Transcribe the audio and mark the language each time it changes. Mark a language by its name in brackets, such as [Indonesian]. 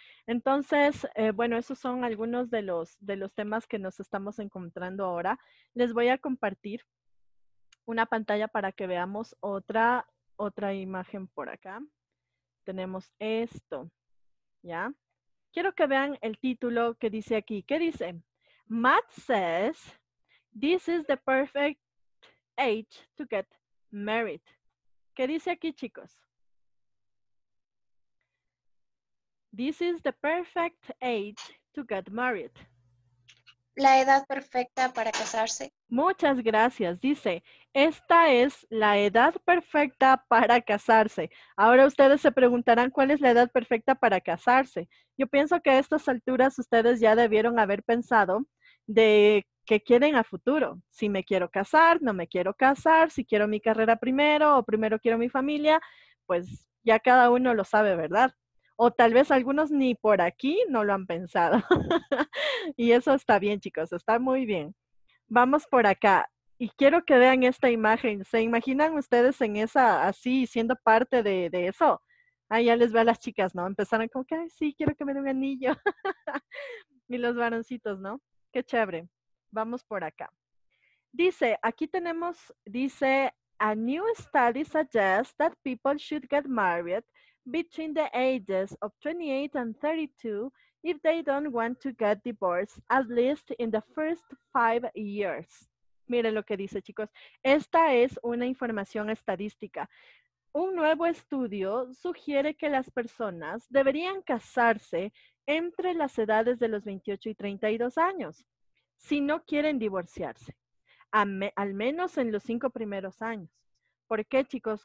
[Spanish] Entonces, bueno, esos son algunos de los temas que nos estamos encontrando ahora. Les voy a compartir una pantalla para que veamos otra imagen por acá. Tenemos esto, ¿ya? Quiero que vean el título que dice aquí. ¿Qué dice? [English] Matt says, this is the perfect age to get married. [Spanish] ¿Qué dice aquí, chicos? [English] This is the perfect age to get married. [Spanish] la edad perfecta para casarse? Muchas gracias. Dice, esta es la edad perfecta para casarse. Ahora ustedes se preguntarán, ¿cuál es la edad perfecta para casarse? Yo pienso que a estas alturas ustedes ya debieron haber pensado de qué quieren a futuro. Si me quiero casar, no me quiero casar, si quiero mi carrera primero o primero quiero mi familia, pues ya cada uno lo sabe, ¿verdad? O tal vez algunos ni por aquí no lo han pensado. Y eso está bien, chicos, está muy bien. Vamos por acá. Y quiero que vean esta imagen. ¿Se imaginan ustedes en esa, así, siendo parte de eso? Ah, ya les veo a las chicas, ¿no? Empezaron como que, ay, sí, quiero que me den un anillo. Y los varoncitos, ¿no? Qué chévere. Vamos por acá. Dice, aquí tenemos, dice, [English] a new study suggests that people should get married between the ages of 28 and 32 if they don't want to get divorced, at least in the first 5 years. [Spanish] Miren lo que dice, chicos. Esta es una información estadística. Un nuevo estudio sugiere que las personas deberían casarse entre las edades de los 28 y 32 años si no quieren divorciarse, al menos en los 5 primeros años. ¿Por qué, chicos?